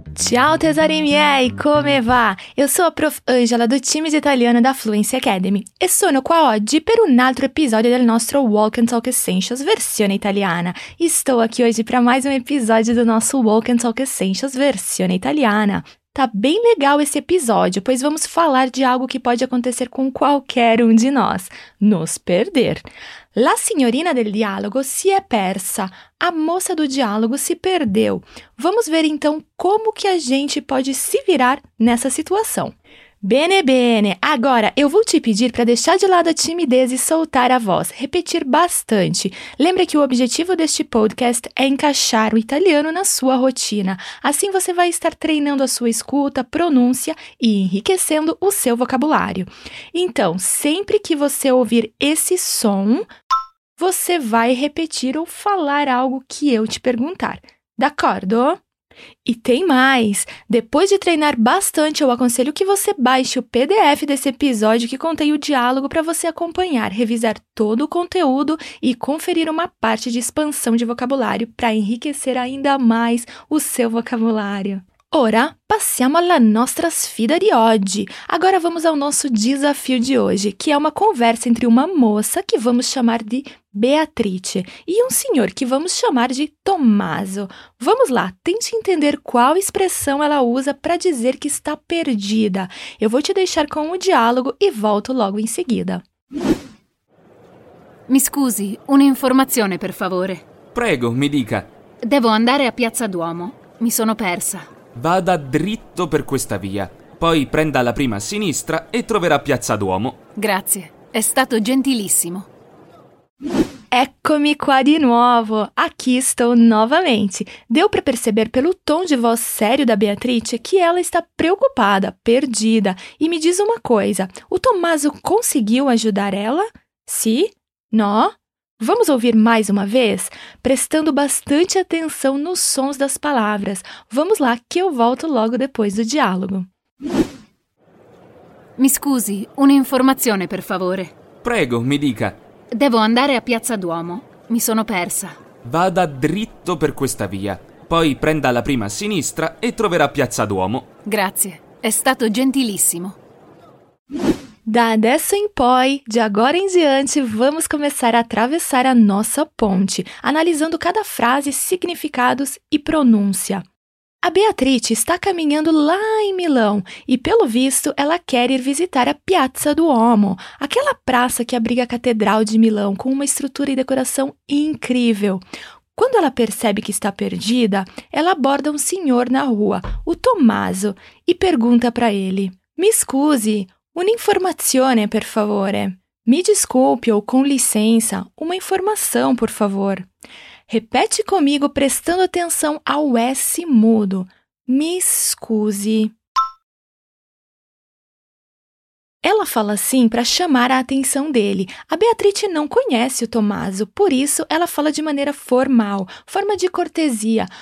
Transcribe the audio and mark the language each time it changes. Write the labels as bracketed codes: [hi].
[it] Ciao tesori miei, come va? [pt] Eu sou a Prof. Angela do time de italiano da Fluency Academy [it] e sono qua oggi per un altro episodio del nostro Walk and Talk Essentials versione italiana. [pt] Estou aqui hoje para mais um episódio do nosso Walk and Talk Essentials versione italiana. Tá bem legal esse episódio, pois vamos falar de algo que pode acontecer com qualquer um de nós: nos perder. [it] La signorina del dialogo si è persa. [pt] A moça do diálogo se perdeu. Vamos ver então como que a gente pode se virar nessa situação. [it] Bene, bene. [pt] Agora, eu vou te pedir para deixar de lado a timidez e soltar a voz. Repetir bastante. Lembra que o objetivo deste podcast é encaixar o italiano na sua rotina. Assim você vai estar treinando a sua escuta, pronúncia e enriquecendo o seu vocabulário. Então, sempre que você ouvir esse som, você vai repetir ou falar algo que eu te perguntar. [it] D'accordo? [pt] E tem mais! Depois de treinar bastante, eu aconselho que você baixe o PDF desse episódio que contém o diálogo para você acompanhar, revisar todo o conteúdo e conferir uma parte de expansão de vocabulário para enriquecer ainda mais o seu vocabulário. [it] Ora, passiamo alla nostra sfida di oggi. [pt] Agora vamos ao nosso desafio de hoje, que é uma conversa entre uma moça, que vamos chamar de Beatrice, e um senhor, que vamos chamar de Tommaso. Vamos lá, tente entender qual expressão ela usa para dizer que está perdida. Eu vou te deixar com o diálogo e volto logo em seguida. [it] Mi scusi, un'informazione, per favore. Prego, mi dica. Devo andare a Piazza Duomo. Mi sono persa. Vada dritto per questa via, poi prenda la prima a sinistra e troverà Piazza Duomo. Grazie, è stato gentilissimo. Eccomi qua di nuovo, [pt] aqui estou novamente. Deu para perceber pelo tom de voz sério da Beatrice que ela está preocupada, perdida. E me diz uma coisa, o Tommaso conseguiu ajudar ela? [it] Sì? No? [pt] Vamos ouvir mais uma vez? Prestando bastante atenção nos sons das palavras. Vamos lá, que eu volto logo depois do diálogo. [it] Mi scusi, un'informazione, per favore. Prego, mi dica. Devo andare a Piazza Duomo. Mi sono persa. Vada dritto per questa via. Poi prenda la prima a sinistra e troverà Piazza Duomo. Grazie, è stato gentilissimo. Da adesso in poi, [pt] de agora em diante, vamos começar a atravessar a nossa ponte, analisando cada frase, significados e pronúncia. A Beatrice está caminhando lá em Milão e, pelo visto, ela quer ir visitar a Piazza Duomo, aquela praça que abriga a Catedral de Milão com uma estrutura e decoração incrível. Quando ela percebe que está perdida, ela aborda um senhor na rua, o Tommaso, e pergunta para ele: [it] Mi scusi. Un'informazione, per favore. [pt] Me desculpe ou com licença, uma informação, por favor. Repete comigo prestando atenção ao S mudo. [it] Mi scusi. [pt] Ela fala assim para chamar a atenção dele. A Beatrice não conhece o Tommaso, por isso ela fala de maneira formal, forma de cortesia.